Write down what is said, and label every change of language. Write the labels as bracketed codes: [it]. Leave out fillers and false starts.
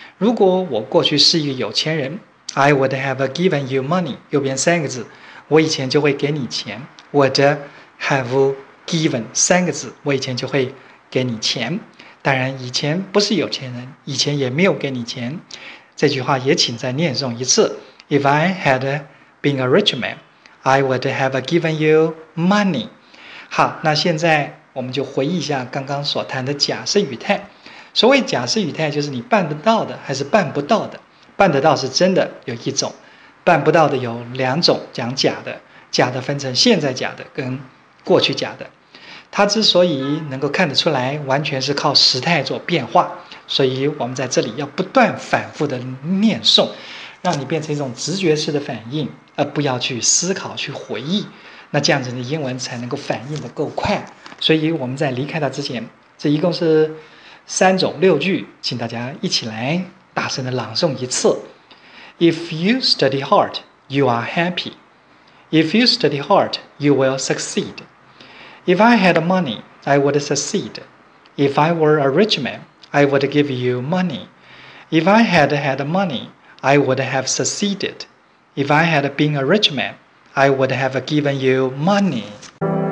[zh] 如果我过去是一个有钱人， [en] I would have given you money， [zh] 右边3个字，我以前就会给你钱。 would have given 3个字，我以前就会给你钱。当然，以前不是有钱人，以前也没有给你钱。这句话也请再念诵一次。 [en] If I had been a rich man, I would have given you money. [zh] 好，那现在我们就回忆一下刚刚所谈的假设语态。所谓假设语态，就是你办得到的还是办不到的。办得到是真的有一种，办不到的有两种，讲假的。假的分成现在假的跟过去假的。它之所以能够看得出来，完全是靠时态做变化。所以我们在这里要不断反复的念诵，让你变成一种直觉式的反应，而不要去思考去回忆。那这样子的英文才能够反应得够快。所以我们在离开它之前，这一共是三种六句，请大家一起来大声的朗诵一次。 [en] If you study hard, you are happy. If you study hard, you will succeed. If I had money, I would succeed. If I were a rich man, I would give you money. If I had had money, I would have succeeded. If I had been a rich man, I would have given you money.